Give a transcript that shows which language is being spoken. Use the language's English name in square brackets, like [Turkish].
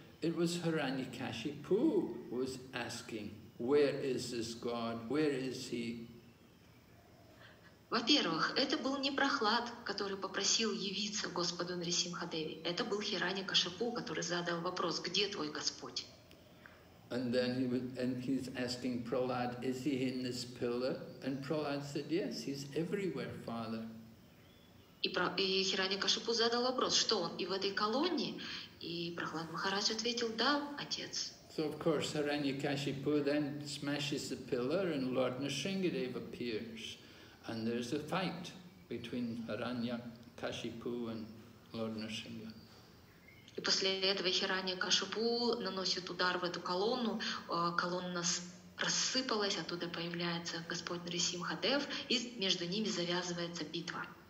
[English] It was Hiranyakashipu who was asking, where is this God? Where is he? [Russian] Во-первых, это был не Прохлад, который попросил явиться Господу Нарисимхадеве. Это был Хиранякашипу, который задал вопрос, где твой Господь? [English] And then he's asking Prahlad, is he in this pillar? And Prahlad said, yes, he's everywhere, Father. [Russian] И Хиранякашипу задал вопрос, что он и в этой колонии? И Прохлад Махарадж ответил, да, отец. [English] So of course Hiranyakashipu then smashes the pillar and Lord Nrisingadev appears. And there's a fight between Hiranyakashipu and Lord Nrisinga. [Russian] И после этого Хиранякашипу наносит удар в эту колонну. Колонна рассыпалась, оттуда появляется Господь Нарисимхадев, и между ними завязывается битва.